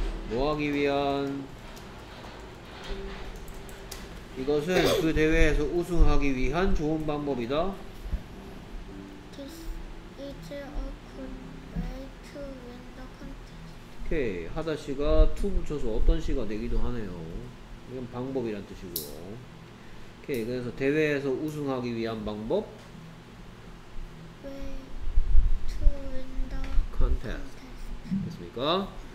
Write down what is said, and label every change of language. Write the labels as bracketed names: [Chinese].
[Korean] 뭐하기 위한? 이것은 그 대회에서 우승하기 위한 좋은 방법이다. [English] This is a good way to win the contest. [Korean] 오케이. 하다 씨가 to 붙여서 어떤 씨가 되기도 하네요. 이건 방법이란 뜻이고. 오케이. 그래서 대회에서 우승하기 위한 방법? [English] Way to win the contest. [Korean] 됐습니까?